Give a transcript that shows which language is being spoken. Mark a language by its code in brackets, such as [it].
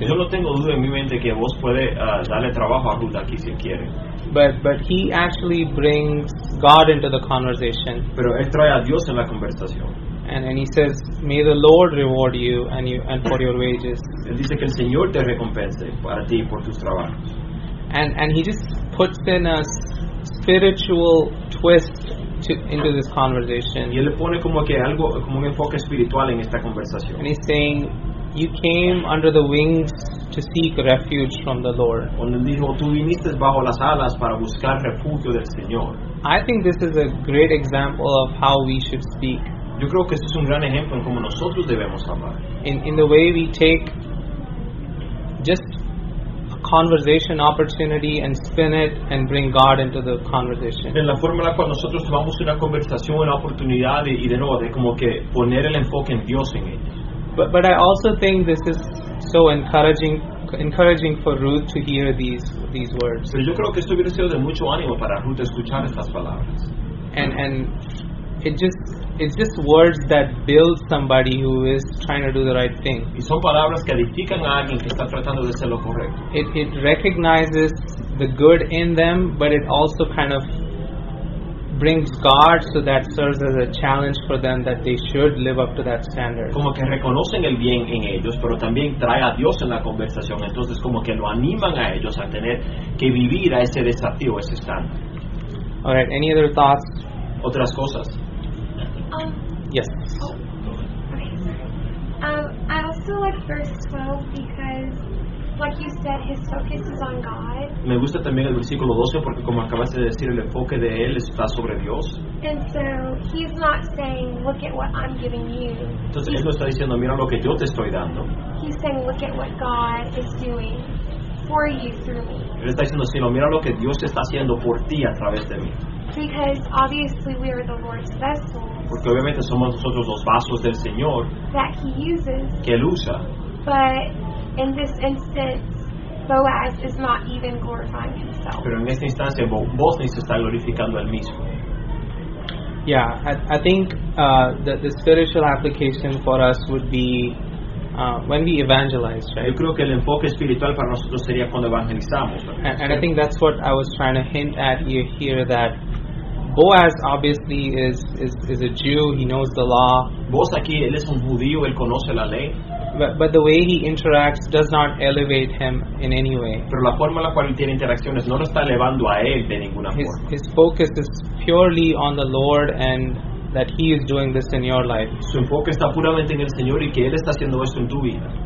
[es] Yo no tengo duda en mi mente que Boaz puede darle trabajo a Ruth aquí si quiere. [en] But he actually brings God into the conversation. [es] Pero él trae a Dios en la conversación. [en] And he says, "May the Lord reward you and for your wages." [es] Él dice que el Señor te recompense para ti por tus trabajos. [en] And he just puts in a spiritual twist into this conversation. [es] Y él le pone como que algo como un enfoque espiritual en esta conversación. [en] And he's saying, "You came under the wings to seek refuge from the Lord." [es] Cuando dijo, "Tú viniste bajo las alas para buscar refugio del Señor." [en] I think this is a great example of how we should speak. [es] Yo creo que este es un gran ejemplo en cómo nosotros debemos hablar. [en] In the way we take just a conversation opportunity and spin it and bring God into the conversation. [es] En la forma en la cual nosotros tomamos una conversación, una oportunidad y de nuevo de como que poner el enfoque en Dios en ella. [en] But I also think this is so encouraging for Ruth to hear these words. [es] Pero yo creo que esto hubiera sido de mucho ánimo para Ruth escuchar estas palabras. [en] And it's just words that build somebody who is trying to do the right thing. [es] Y son palabras que edifican a alguien que está tratando de hacer lo correcto. [en] It recognizes the good in them, but it also kind of brings God, so that serves as a challenge for them that they should live up to that standard. [es] Como que reconocen el bien en ellos, pero también trae a Dios en la conversación. Entonces como que lo animan a ellos a tener que vivir a ese desafío, ese estándar. [en] All right, any other thoughts? [es] Otras cosas. Yes. [en] I also like verse 12 because, like you said, his focus is on God. [es] Me gusta también el versículo 12 porque, como acabas de decir, el enfoque de él está sobre Dios. [en] And so he's not saying, "Look at what I'm giving you." [es] Entonces él no está diciendo, "Mira lo que yo te estoy dando." [en] He's saying, "Look at what God is doing for you through me." [es] Él está diciendo, "Sino, mira lo que Dios está haciendo por ti a través de mí." [en] Because obviously we are the Lord's vessels. [es] Porque obviamente somos nosotros los vasos del Señor. [en] That he uses. [es] Que él usa. [en] But in this instance, Boaz is not even glorifying himself. [es] Pero en esta instancia, Boaz ni se está glorificando él mismo. [en] Yeah, I think the spiritual application for us would be When we evangelize, right? [es] Yo creo que el enfoque espiritual para nosotros sería cuando evangelizamos. [en] And I think that's what I was trying to hint at you here, that Boaz obviously is a Jew. He knows the law. [es] Boaz aquí, él es un judío, él conoce la ley. [en] But the way he interacts does not elevate him in any way. [es] Pero la forma en la cual él tiene interacciones no lo está elevando a él de ninguna forma. [en] His focus is purely on the Lord and that he is doing this in your life. [es] Su enfoque está puramente en el Señor y que él está haciendo esto en tu vida.